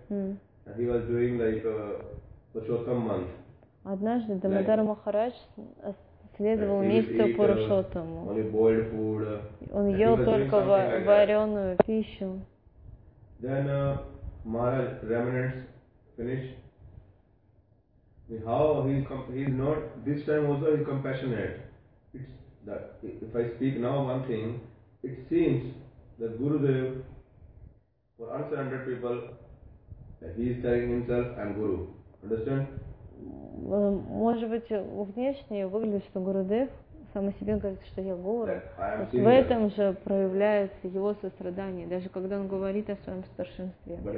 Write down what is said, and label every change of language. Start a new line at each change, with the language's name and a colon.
English: And he was doing like Purushottam month.
Russian: Однажды Дамодар Махарадж следовал месяцу Пурушоттаму. Он ел только вареную пищу.
English: Then Maharaj remnants finished. How he's not this time also he's compassionate. It's that if I speak now one thing, it seems that Gurudev for 100 people he is telling himself I'm Guru. Understand?
Russian: Может быть, внешне выглядит, что Гурудев сам о себе говорит, что я Гуру. В этом же проявляется его сострадание, даже когда он говорит о своем старшинстве.